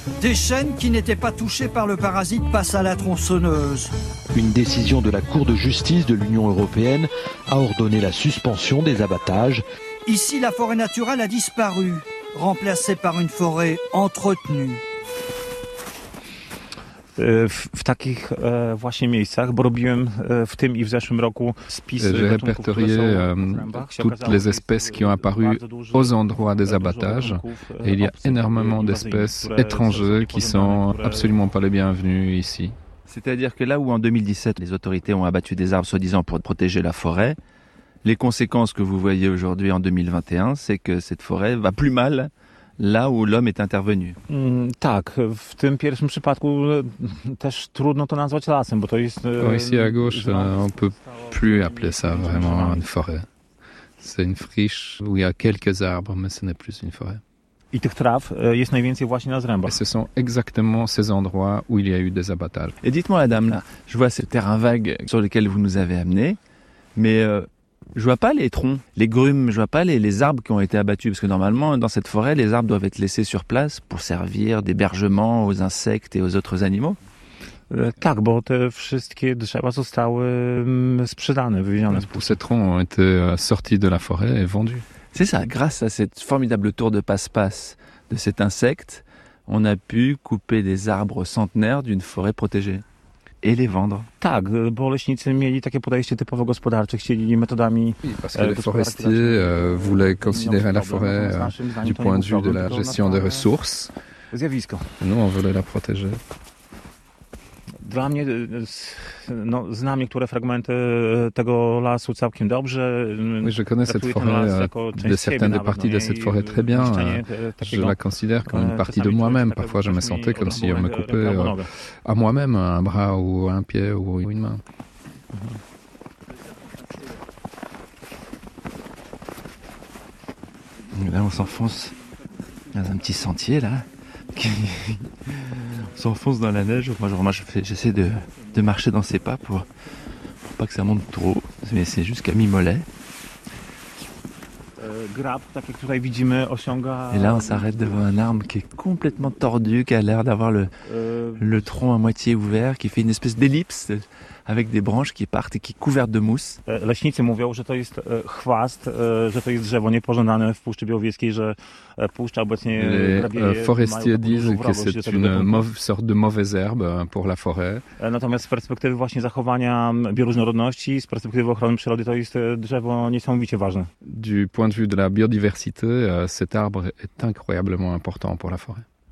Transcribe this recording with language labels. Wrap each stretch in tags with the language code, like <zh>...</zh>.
<fr>Des chênes qui n'étaient pas touchés par le parasite passent à la tronçonneuse. Une décision de la Cour de justice de l'Union européenne a ordonné la suspension des abattages. Ici, la forêt naturelle a disparu, remplacée par une forêt entretenue.</fr> <pl>W takich właśnie miejscach, bo robiłem w tym i w zeszłym roku spisy gatunków,</pl> <fr>répertorié</fr> <pl>które są</pl> <fr>toutes les espèces qui ont apparu aux endroits des abattages. Et il y a énormément d'espèces étrangères qui sont absolument pas les bienvenues ici. C'est-à-dire que là où en 2017 les autorités ont abattu des arbres soi-disant pour protéger la forêt, les conséquences que vous voyez aujourd'hui en 2021, c'est que cette forêt va plus mal. Là où l'homme est intervenu.</fr> <pl>Tak, w tym pierwszym przypadku też trudno to nazwać lasem, bo to jest...</pl> <fr>Ici à gauche, on ne peut plus appeler ça vraiment une forêt. C'est une friche où il y a quelques arbres, mais ce n'est plus une forêt.</fr> <pl>I tych traw jest najwięcej właśnie na zrębach.</pl> <fr>Ce sont exactement ces endroits où il y a eu des abattages. Et dites-moi, Adam, là, je vois ce terrain vague sur lequel vous nous avez amené, mais... Je vois pas les troncs, les grumes, je vois pas les arbres qui ont été abattus, parce que normalement, dans cette forêt, les arbres doivent être laissés sur place pour servir d'hébergement aux insectes et aux autres animaux.</fr> <pl>Tak, bo te wszystkie drzewa zostały sprzedane, wywiezione.</pl> <fr>Tous ces troncs ont été sortis de la forêt et vendus. C'est ça, grâce à cette formidable tour de passe-passe de cet insecte, on a pu couper des arbres centenaires d'une forêt protégée. Et les vendre.</fr> <pl>Tak, bo leśnicy mieli takie podejście typowo gospodarcze, chcieli metodami...</pl> <fr>Parce que les forestiers voulaient considérer la forêt du point de vue de la gestion des ressources.</fr> <pl>Zjawisko.</pl> <fr>Nous, on voulait la protéger.</fr> <pl>Dla mnie, no, znam niektóre fragmenty tego lasu całkiem dobrze.</pl> <fr>Oui, je connais cette forêt, de certaines des parties de cette forêt très bien. Je la considère comme une partie de moi-même. Parfois, je me sentais comme si on me coupait à moi-même un bras ou un pied ou une main. Là, on s'enfonce dans un petit sentier, là. On s'enfonce dans la neige. Moi j'essaie de marcher dans ses pas pour pas que ça monte trop, mais c'est jusqu'à mi-mollet. Et là on s'arrête devant un arbre qui est complètement tordu, qui a l'air d'avoir le tronc à moitié ouvert, qui fait une espèce d'ellipse avec des branches qui partent et qui sont couvertes de mousse.</fr> <pl>Leśnicy mówią, że to jest chwast, że to jest drzewo niepożądane w Puszczy Białowieskiej, że puszcza obecnie grabieje.</pl> <fr>Les forestiers disent que c'est une sorte de mauvaise herbe pour la forêt.</fr> <pl>Natomiast z perspektywy właśnie zachowania bioróżnorodności, z perspektywy ochrony przyrody, to jest drzewo niesamowicie ważne.</pl> <fr>Du point de vue de la biodiversité, cet arbre est incroyablement important pour la forêt.</fr>